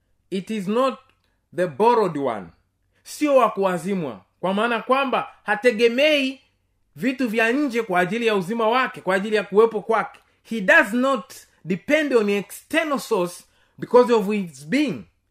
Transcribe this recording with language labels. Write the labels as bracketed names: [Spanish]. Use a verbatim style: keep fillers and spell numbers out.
[English] It is not the borrowed one. [Swahili] Sio wa kuazimwa, kwa maana kwamba hategemei vitu vya nje kwa ajili ya uzima wake, kwa ajili ya kuwepo kwake. [English] He does not depend on external source because of his being.